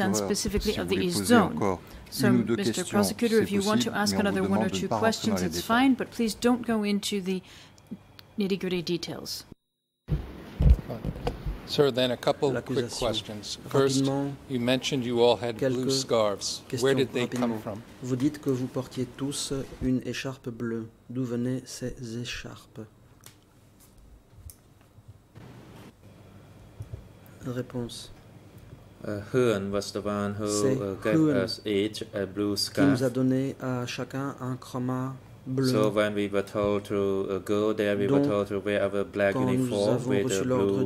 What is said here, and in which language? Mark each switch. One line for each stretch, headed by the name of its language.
English: and specifically of the East Zone. So, Mr. Prosecutor, if you want to ask another one or two questions, it's fine, but please don't go into the nitty-gritty details. Sir, then a couple quick questions. First, you mentioned you all had blue scarves. Where did they come from?
French: Vous dites que vous portiez tous une écharpe bleue. D'où venaient ces écharpes? Réponse.
English: Huan was the one who gave us each a blue scarf.
French: Qui nous a donné à chacun un chroma bleu.
English: So when we were told to go there, we
French: Donc,
English: were told to wear our black uniform with a blue